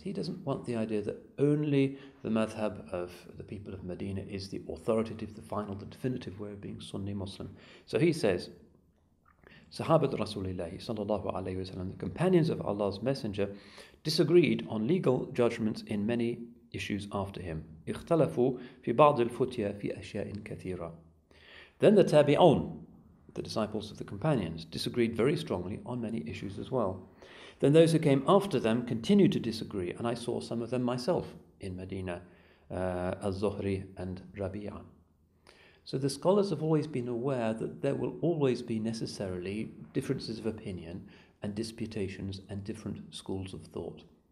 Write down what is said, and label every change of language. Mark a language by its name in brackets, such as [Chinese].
[English] He doesn't want the idea that only the madhab of the people of Medina is the authoritative, the final, the definitive way of being Sunni Muslim. So he says, [Arabic] Sahabat Rasulullah sallallahu alayhi wa sallam, [English] the companions of Allah's messenger, disagreed on legal judgments in many issues after him. [Arabic] اختلفوا في بعض الفتية في أشياء كثيرة. [English] Then the Tabi'un, the disciples of the companions, disagreed very strongly on many issues as well. Then those who came after them continued to disagree, and I saw some of them myself in Medina, Al-Zuhri and Rabi'a. So the scholars have always been aware that there will always be necessarily differences of opinion and disputations and different schools of thought.